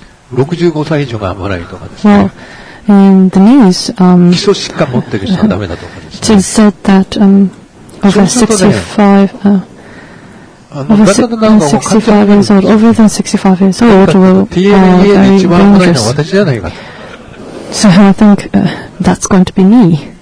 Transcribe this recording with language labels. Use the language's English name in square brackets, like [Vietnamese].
[Japanese] 65歳以上が危ないとかですね。 [English] Well, in the news, [Japanese] 基礎疾患持ってる人はダメだとかですね。 [English] It's said that, over 65, over than 65 years old, will, [Japanese] TMA で一番危ないのは私じゃないかと。 [English] So I think that's going to be me.